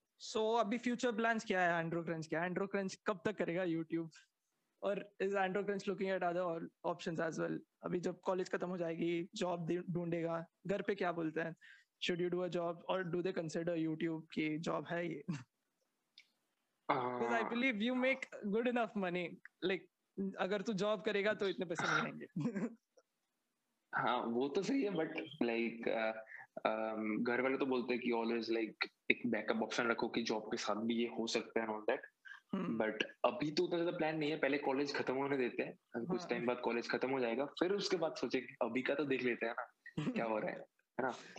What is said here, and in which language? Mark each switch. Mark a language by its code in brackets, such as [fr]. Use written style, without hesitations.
[hi] सो अभी future plans क्या है एंड्रो क्रंच का? एंड्रो क्रंच कब तक करेगा यूट्यूब, और [en] Is Andro Crunch looking at other options as well? [hi] अभी जब कॉलेज खत्म हो जाएगी, जॉब ढूंढेगा, घर पे क्या बोलते हैं, [en] should you do a job [hi] और [en] do they consider [hi] यूट्यूब की जॉब है ये? [en] Because I believe you make good enough money. [hi] Like, अगर तू जॉब करेगा तो इतने पैसे नहीं आएंगे। हाँ, वो तो सही है, but like घर वाले तो बोलते हैं कि [en] always like [hi] एक backup option रखो कि जॉब के साथ भी ये हो सकता है and all that. But अभी तो उतना ज़्यादा plan नहीं है, पहले college खत्म होने देते हैं, कुछ time बाद college खत्म हो जाएगा, फिर उसके बाद सोचेंगे, अभी का तो देख लेते हैं ना क्या हो रहा है, ना?